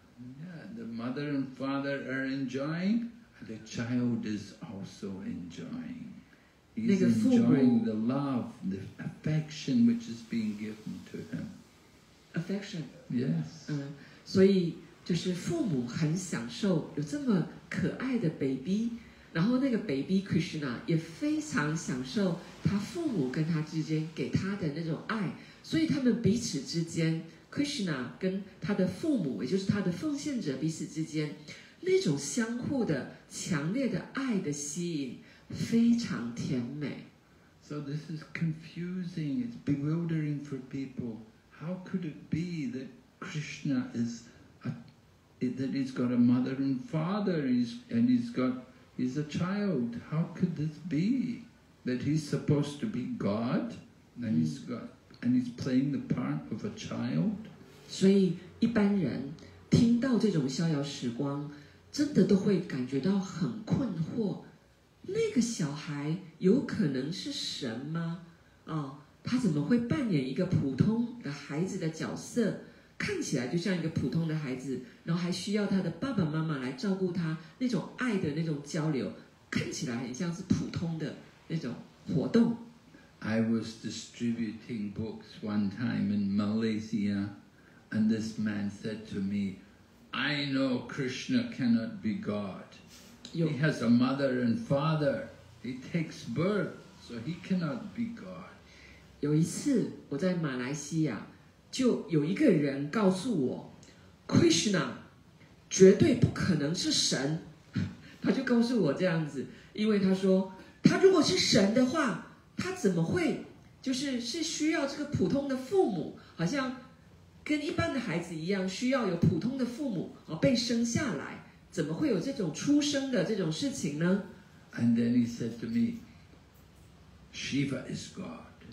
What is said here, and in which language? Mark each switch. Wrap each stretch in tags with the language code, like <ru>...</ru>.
<en>Yeah, the mother and father are enjoying the child is also enjoying He's enjoying the love, the affection which is being given to him. Affection. Yes.</en> <zh>所以就是父母很享受有这么可爱的 baby, 然后那个 baby Krishna 也非常享受他父母跟他之间给他的那种爱。所以他们彼此之间 ,Krishna 跟他的父母也就是他的奉献者彼此之间那种相互的强烈的爱的吸引非常甜美</zh> <en>So this is confusing, it's bewildering for people. How could it be that Krishna is, that he's got a mother and father, and he's a child? How could this be? That he's supposed to be God, and he's playing the part of a child?</en> <zh>所以一般人听到这种逍遥时光，真的都会感觉到很困惑。那个小孩有可能是神吗？他怎么会扮演一个普通的孩子的角色？看起来就像一个普通的孩子，然后还需要他的爸爸妈妈来照顾他，那种爱的那种交流，看起来很像是普通的那种活动。 I was distributing books one time in Malaysia, and this man said to me, I know Krishna cannot be God. He has a mother and father. He takes birth, so he cannot be God. 有一次我在马来西亚，就有一个人告诉我 ，Krishna 绝对不可能是神。他就告诉我这样子，因为他说，他如果是神的话，他怎么会就是是需要这个普通的父母，好像跟一般的孩子一样，需要有普通的父母而被生下来。怎么会有这种出生的这种事情呢</zh> <en>？And then he said to me, Shiva is God.</en>